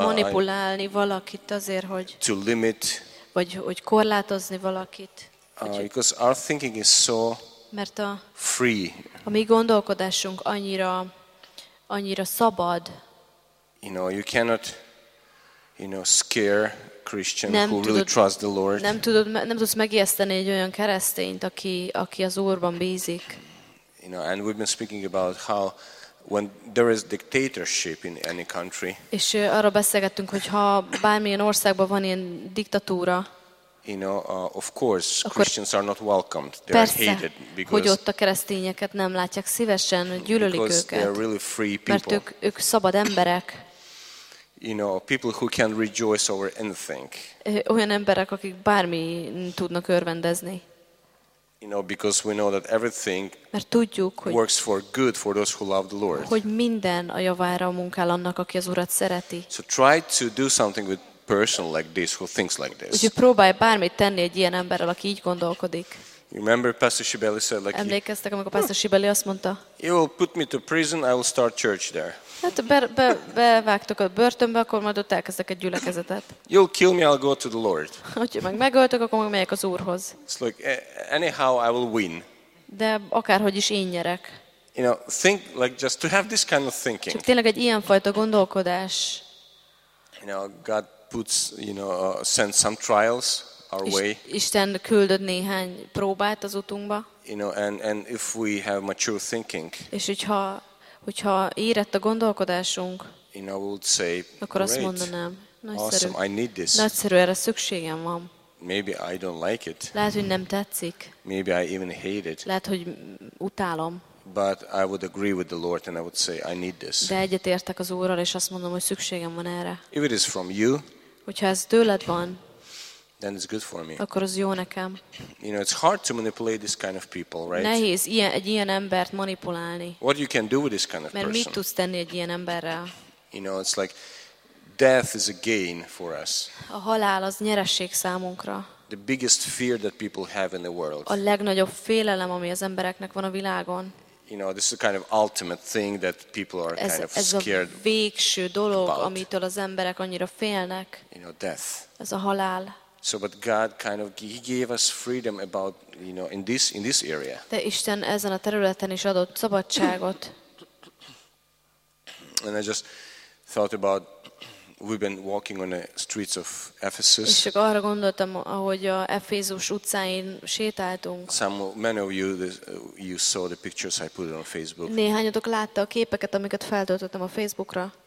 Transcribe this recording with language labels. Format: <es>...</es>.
<hu>manipulálni valakit azért, hogy</hu> <en>to limit</en> <hu>vagy korlátozni valakit.</hu> <en>Because our thinking is so free.</en> <hu>A mi gondolkodásunk annyira szabad.</hu> <en>You know, you cannot, you know, scare Christian</en> <hu>nem</hu> <en>who</en> <hu>tudod,</hu> <en>really trusts the Lord.</en> <hu>Nem tudsz megijeszteni egy olyan keresztényt, aki az Úrban bízik.</hu> <en>You know, and we've been speaking about how when there is dictatorship in any country.</en> <hu>És arról beszélgettünk, hogy ha bármilyen országban van ilyen diktatúra.</hu> <en>You know, of course, Christians are not welcomed. They</en> <hu>persze,</hu> <en>are hated because.</en> <hu>Hogy ott a keresztényeket nem látják szívesen, gyűlölik őket.</hu> <en>Because they are really free people.</en> <hu>Mert ők szabad emberek.</hu> <en>You know, people who can rejoice over anything.</en> <hu>Olyan emberek, akik bármi tudnak örvendezni.</hu> <en>You know, because we know that everything</en> <hu>tudjuk,</hu> <en>works for good for those who love the Lord.</en> <hu>Hogy minden a javára munkál annak, aki az Urat szereti.</hu> <en>So try to do something with person like this who thinks like this.</en> <hu>Úgy próbálj bármit tenni egy ilyen emberrel, aki így gondolkodik.</hu> <en>Remember Pastor Shibeli said like.</en> <hu>Emlékeztek, amikor Pastor Shibeli azt mondta?</hu> <en>You will put me to prison, I will start church there.</en> <hu>Hát bevágtok a börtönbe, akkor majd ott elkezdek egy gyülekezetet.</hu> <en>You'll kill me, I'll go to the Lord.</en> <hu>Hogyha megöltök, akkor meg megyek az Úrhoz.</hu> <en>It's like, anyhow I will win.</en> <hu>De akárhogy is én nyerek.</hu> <en>You know, think like just to have this kind of thinking.</en> <hu>Csak tényleg egy ilyen fajta gondolkodás.</hu> <en>You know, God puts, you know, send some trials our way.</en> <hu>Isten küldöd néhány próbát az utunkba.</hu> <en>You know, and if we have mature thinking.</en> <hu>És hogyha érett a gondolkodásunk,</hu> <en>you know, we would say,</en> <hu>akkor azt mondanám,</hu> <en>awesome, I need this.</en> <hu>Nagyszerű, erre szükségem van.</hu> <en>Maybe I don't like it.</en> <hu>Lehet, hogy nem tetszik.</hu> <en>Maybe I even hate it.</en> <hu>Lehet, hogy utálom.</hu> <en>But I would agree with the Lord and I would say I need this.</en> <hu>De egyetértek az Úrral és azt mondom, hogy szükségem van erre.</hu> <en>If it is from you,</en> <hu>hogyha ez tőled van,</hu> <en>then it's good for me.</en> <hu>Akkor az jó nekem.</hu> <en>You know, it's hard to manipulate this kind of people, right?</en> <hu>Nehéz egy ilyen embert manipulálni.</hu> <en>What you can do with this kind of</en> <hu>mert</hu> <en>person?</en> <hu>Mit tudsz tenni egy ilyen emberrel?</hu> <en>You know, it's like death is a gain for us.</en> <hu>A halál az nyeresség számunkra.</hu> <en>The biggest fear that people have in the world.</en> <hu>A legnagyobb félelem, ami az embereknek van a világon.</hu> <en>You know, this is a kind of ultimate thing that people are</en> <hu>ez,</hu> <en>kind of scared.</en> <hu>Ez a végső dolog, amitől az emberek annyira félnek.</hu> <en>You know, death.</en> <hu>Ez a halál.</hu> <en>So but God kind of he gave us freedom about, you know, in this area.</en> <hu>De Isten ezen a területen is adott szabadságot.</hu> <en>And I just thought about we've been walking on the streets of Ephesus.</en> <hu>És arra gondoltam, ahogy a Efézus utcáin sétáltunk.</hu> <en>Many of you saw the pictures I put on Facebook.</en> <hu>Néhányatok látta a képeket, amiket feltöltöttem a Facebookra.</hu>